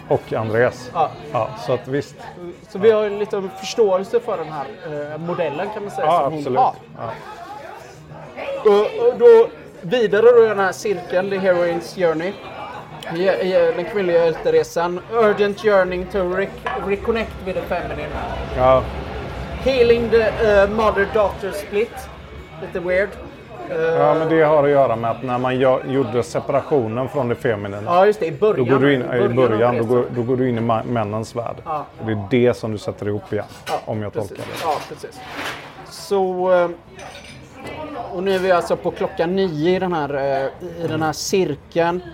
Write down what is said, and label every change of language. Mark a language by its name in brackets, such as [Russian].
[Swedish] Och Andreas. Ja. Så att visst. Så vi har lite förståelse för den här modellen, kan man säga. Ja, som absolut. Då vidare då den här cirkeln, The Heroine's Journey. Den kvinnliga hjälteresan. [English] Urgent yearning to reconnect with the feminine. [Swedish] Ja. [English] Healing the mother-daughter split. [Swedish] Lite weird. Ja, men det har att göra med att när man gjorde separationen från det feminina. Ja, just det. I början. Då går du in, i början, då går du in i männens värld. Ja. Det är det som du sätter ihop igen. Ja, om jag tolkar precis. Det. Ja, precis. Så... Och nu är vi alltså på klockan 9 i den här cirkeln.